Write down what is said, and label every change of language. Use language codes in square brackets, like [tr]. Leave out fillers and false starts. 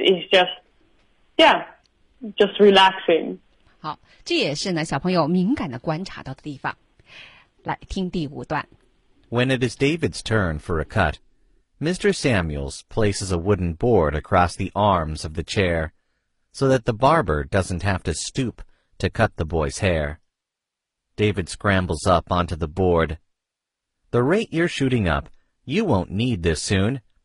[en] He's just relaxing. [zh] 好，这也是呢小朋友敏感的观察到的地方。来听第五段。 [en] When it is David's turn for a cut, Mr. Samuels places a wooden board across the arms of the chair so that the barber doesn't have to stoop to cut the boy's hair. David scrambles up onto the board. The rate you're shooting up, you won't need this soon.